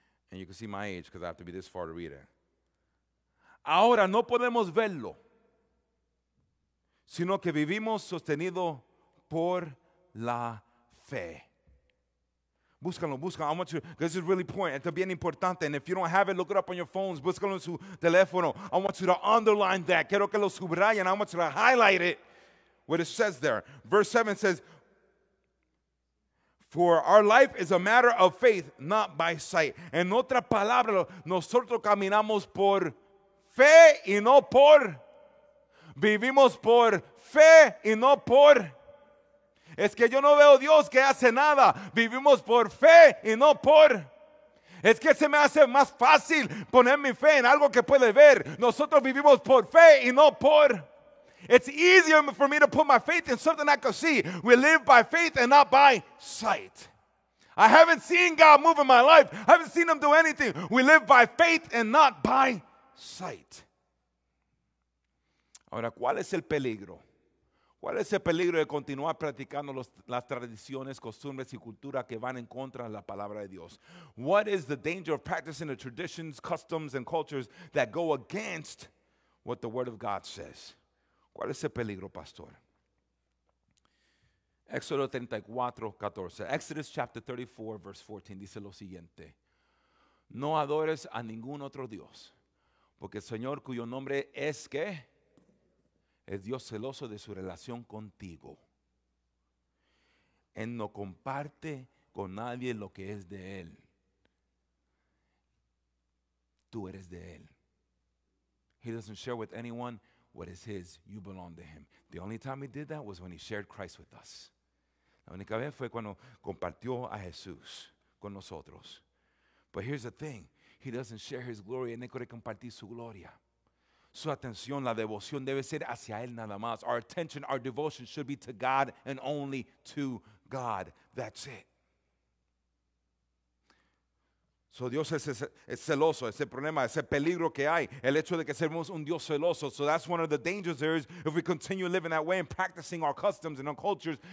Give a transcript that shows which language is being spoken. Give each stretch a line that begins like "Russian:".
English: And you can see my age because I have to be this far to read it.
Spanish: Ahora no podemos verlo, sino que vivimos sostenido por la fe. Búscalo, búscalo.
English: I want you, because this is really important.
Spanish: Esto es bien importante.
English: And if you don't have it, look it up on your phones.
Spanish: Búscalo en su teléfono.
English: I want you to underline that.
Spanish: Quiero que lo subrayen.
English: I want you to highlight it, what it says there. Verse 7 says, for our life is a matter of faith, not by sight.
Spanish: En otra palabra, nosotros caminamos por fe y no por. Vivimos por fe y no por. Es que yo no veo Dios que hace nada. Vivimos por fe y no por. Es que se me hace más fácil poner mi fe en algo que puede ver. Nosotros vivimos por fe y no por.
English: It's easier for me to put my faith in something I can see. We live by faith and not by sight. I haven't seen God move in my life. I haven't seen him do anything. We live by faith and not by sight.
Spanish: Ahora, ¿cuál es el peligro? ¿Cuál es el peligro de continuar practicando las tradiciones, costumbres y cultura que van en contra de la palabra de Dios?
English: What is the danger of practicing the traditions, customs, and cultures that go against what the Word of God says?
Spanish: ¿Cuál es el peligro, pastor? Éxodo 34, 14.
English: Exodus chapter 34, verse 14,
Spanish: dice lo siguiente. No adores a ningún otro Dios, porque el Señor cuyo nombre es que... es Dios celoso de su relación contigo. Él no comparte con nadie lo que es de Él. Tú eres de Él.
English: He doesn't share with anyone what is His. You belong to Him. The only time He did that was when He shared Christ with us.
Spanish: La única vez fue cuando compartió a Jesús con nosotros.
English: But here's the thing. He doesn't share His glory.
Spanish: Él no quiere compartir su gloria. Su atención, la devoción debe ser hacia Él nada más.
English: Our attention, our devotion should be to God and only to God. That's it.
Spanish: So Dios es celoso, ese problema, ese peligro que hay, el hecho de que seamos un Dios celoso.
English: So that's one of the dangers there is if we continue living that way and practicing our customs and our cultures.